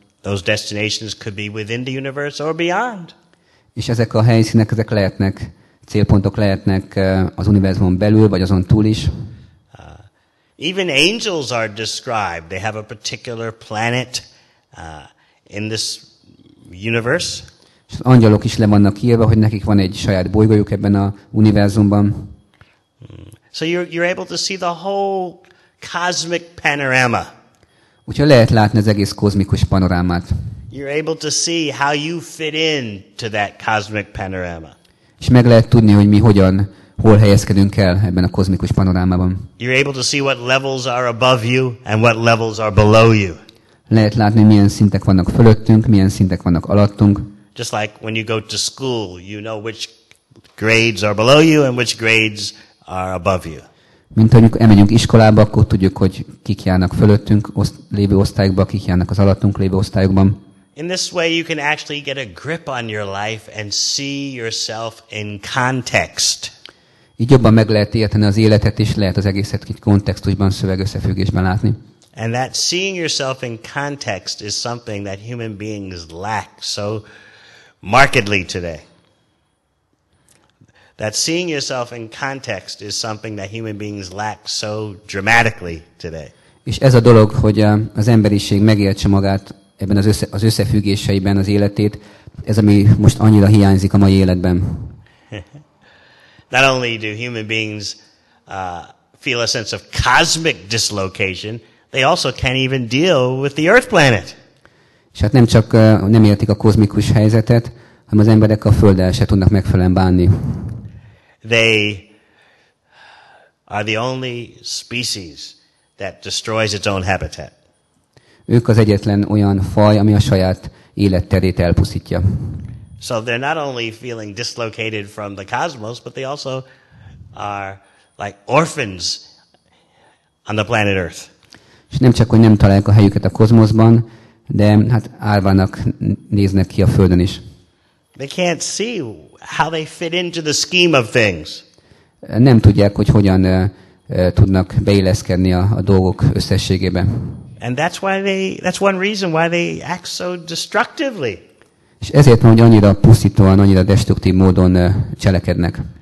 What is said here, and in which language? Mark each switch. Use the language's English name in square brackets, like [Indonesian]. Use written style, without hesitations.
[English] Those destinations could be within the universe or beyond. [Hungarian] És ezek a helyszínek, ezek lehetnek, célpontok lehetnek az univerzumon belül, vagy azon túl is. [English] Even angels are described. They have a particular planet in this universe. [Hungarian] És az angyalok is le vannak írva, hogy nekik van egy saját bolygójuk ebben a univerzumban. [English] So you're able to see the whole cosmic panorama. [Hungarian] Úgyhogy lehet látni az egész kozmikus panorámát. [English] You're able to see how you fit in to that cosmic panorama. [Hungarian] És meg lehet tudni, hogy mi hogyan, hol helyezkedünk el ebben a kozmikus panorámában. [English] You're able to see what levels are above you and what levels are below you. [Hungarian] Lehet látni, milyen szintek vannak fölöttünk, milyen szintek vannak alattunk. [English] Just like when you go to school, you know which grades are below you and which grades are above you. [Hungarian] Mint hogy elmegyünk iskolába, akkor tudjuk, hogy kik járnak fölöttünk lévő osztályokban, kik járnak az alattunk lévő osztályokban. [English] In this way you can actually get a grip on your life and see yourself in context. [Hungarian] Így jobban meg lehet érteni az életet, és lehet az egészet egy kontextusban, szövegösszefüggésben látni. [English] And that seeing yourself in context is something that human beings lack so markedly today. That seeing yourself in context is something that human beings lack so dramatically today. [Hungarian] És ez a dolog, hogy az emberiség megértse magát ebben az összefüggéseiben az életét, ez ami most annyira hiányzik a mai életben. [English] Not only do human beings feel a sense of cosmic dislocation, they also can't even deal with the Earth planet. [Hungarian] És hát nem csak nem értik a kozmikus helyzetet, hanem az emberek a Földdel se tudnak megfelelően bánni. [English] They are the only species that destroys its own habitat. [Hungarian] Ők az egyetlen olyan faj, ami a saját életterét elpusztítja. [English] So they're not only feeling dislocated from the cosmos, but they also are like orphans on the planet Earth. [Hungarian] És nem csak, hogy nem találják a helyüket a kozmoszban, de hát árvának néznek ki a Földön is. [English] They can't see how they fit into the scheme of things. [Hungarian] Nem tudják, hogy hogyan tudnak beilleszkedni a dolgok összességébe. [English] And that's why that's one reason why they act so destructively. [Hungarian] És ezért, hogy annyira pusztítóan, annyira destruktív módon cselekednek.